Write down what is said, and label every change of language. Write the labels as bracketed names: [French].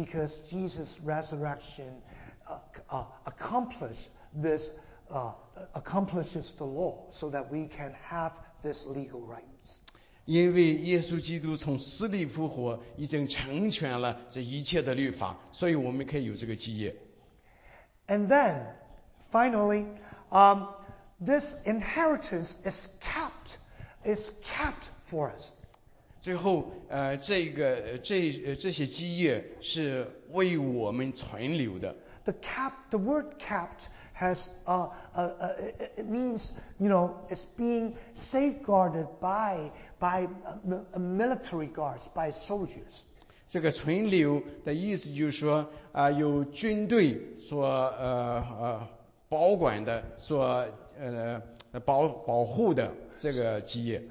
[English] Because Jesus' resurrection accomplishes this accomplishes the law, so that we can have this legal rights. [Chinese] 因为耶稣基督从死里复活，已经成全了这一切的律法，所以我们可以有这个基业。 [English] And then, finally, this inheritance is kept for us. [Chinese] 最后这些基业是为我们存留的。 [English] The word kept has it means, you know, it's being safeguarded by military guards, by soldiers. [Chinese] 这个存留的意思就是说有军队所保管的所保护的这个基业。